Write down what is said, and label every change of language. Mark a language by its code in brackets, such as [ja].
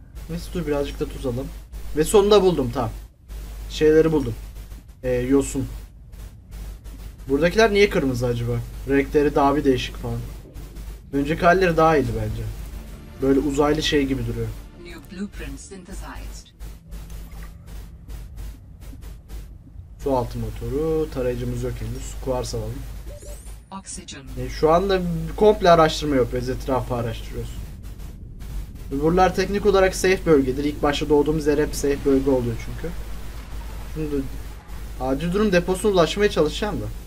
[tr] Neyse, dur birazcık da tuz alalım. Ve sonunda buldum, tamam. Şeyleri buldum. Yosun. Buradakiler niye kırmızı acaba? Renkleri daha bir değişik falan. Önceki halleri daha iyiydi bence. Böyle uzaylı şey gibi duruyor. [en] New blueprint synthesized. [tr] Su altı motoru, tarayıcımız yok henüz. Kuvars alalım. Oksijen. Şu anda komple araştırma yapıyoruz, etrafı araştırıyoruz. Buralar teknik olarak safe bölgedir. İlk başta doğduğumuz yer hep safe bölge oluyor çünkü. Şimdi acil durum deposuna ulaşmaya çalışacağım da.